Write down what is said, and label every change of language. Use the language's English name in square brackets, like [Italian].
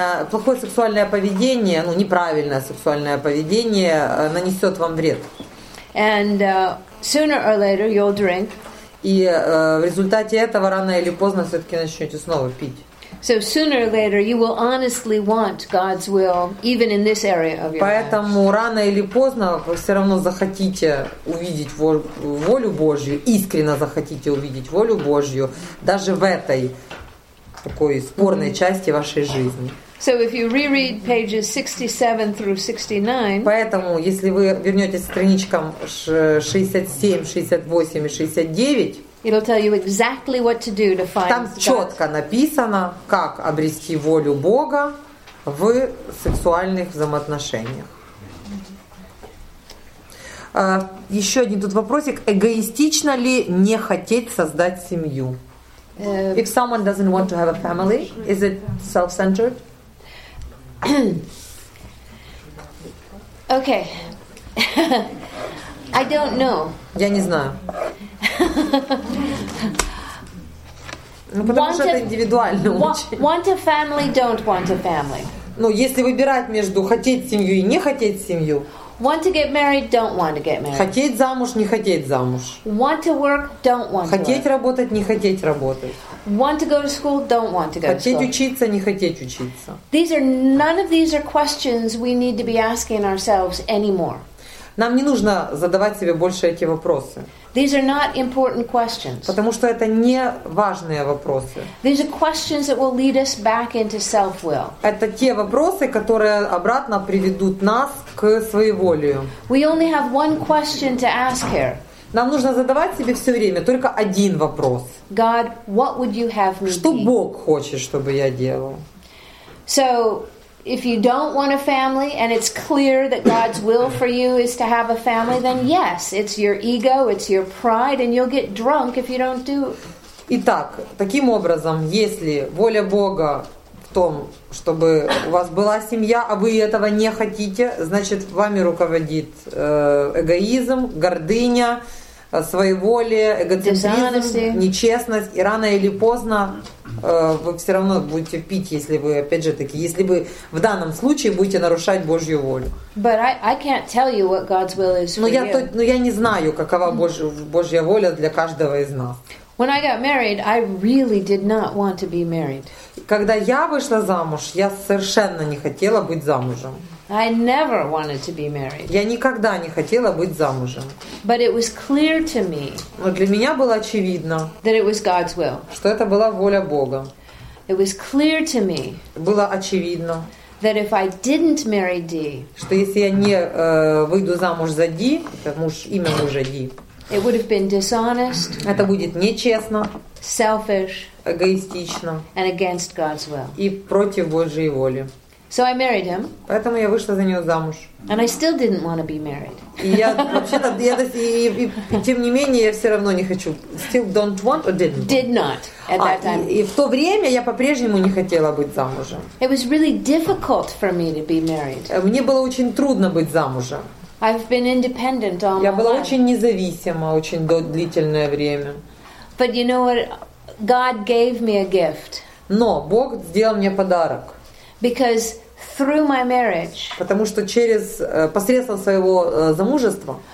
[Russian] Плохое сексуальное поведение, ну, неправильное сексуальное поведение нанесет вам вред. [English] And sooner or later you'll drink. [Russian] И в результате этого рано или поздно все-таки начнете снова пить. [English] So sooner or later you will honestly want God's will even in this area of your life. [Russian] Поэтому рано или поздно вы все равно захотите увидеть волю Божью, искренне захотите увидеть волю Божью даже в этой такой спорной части вашей жизни. [English] So if you reread pages 67 through 69, [Russian] поэтому если вы вернетесь к страничкам 67, 68 и 69, [English] it'll tell you exactly what to do to find. [Russian] Там четко написано, как обрести волю Бога в сексуальных взаимоотношениях. Еще один тут вопросик: эгоистично ли не хотеть создать семью? [English] If someone doesn't want to have a family, is it self-centered? Okay. I don't know. [Russian] Я не знаю. Ну, потому [English] want [Russian] что это индивидуально. [English] Want a family, don't want a family. [Russian] Ну, если выбирать между хотеть семью и не хотеть семью. [English] Want to get married, don't want to get married. [Russian] Хотеть замуж, не хотеть замуж. [English] Want to work, don't want to [Russian] хотеть [English] work. [Russian] Работать, не хотеть работать. [English] Want to go to school, don't want to go [Russian] хотеть [English] to school. [Russian] Учиться, не хотеть учиться. [English] These are none of these are questions we need to be asking ourselves anymore. [Russian] Нам не нужно задавать себе больше эти вопросы. [English] These are not important questions. [Russian] Потому что это не важные вопросы. [English] These are questions that will lead us back into self-will. [Russian] Это те вопросы, которые обратно приведут нас к своеволию. [English] We only have one question to ask here. [Russian] Нам нужно задавать себе все время только один вопрос. [English] God, what would you have me [Russian] что be? Бог хочет, чтобы я делал? [English] So, if you don't want a family and it's clear that God's will for you is to have a family, then yes, it's your ego, it's your pride, and you'll get drunk if you don't do it. [Russian] Итак, таким образом, если воля Бога в том, чтобы у вас была семья, а вы этого не хотите, значит, вами руководит эгоизм, гордыня, своеволие, эгоцентризм, нечестность, и рано или поздно вы все равно будете пить, если вы, опять же таки, если вы в данном случае будете нарушать Божью волю. [English] But I can't tell you what God's will is for you. [Russian] Но я не знаю, какова Божья воля для каждого из нас. [English] When I got married, I really did not want to be married. [Russian] Когда я вышла замуж, я совершенно не хотела быть замужем. [English] I never wanted to be married. [Russian] Я никогда не хотела быть замужем. [English] But it was clear to me. [Russian] Но для меня было очевидно. [English] That it was God's will. [Russian] Что это была воля Бога. [English] It was clear to me. [Russian] Было очевидно. [English] That if I didn't marry Dee. [Russian] Что если я не выйду замуж за Ди, это муж, имя мужа Ди. [English] It would have been dishonest. [Russian] Это будет нечестно. [English] Selfish. [Russian] Эгоистично. [English] And against God's will. [Russian] И против Божьей воли. [English] So I married him. [Russian] Поэтому я вышла за него замуж. [English] And I still didn't want to be married. [Russian] Тем не менее, я все равно не хочу. [English] Still don't want or didn't? Did not at that time. [Russian] И в то время я по-прежнему не хотела быть замужем. [English] It was really difficult for me to be married. [Russian] Мне было очень трудно быть замужем. [English] I've been independent all my [Russian] life. Я была очень независима очень длительное время. [English] But you know what? God gave me a gift. [Russian] Но Бог сделал мне подарок. [English] Because through my marriage. [Russian] Потому что через посредством своего замужества.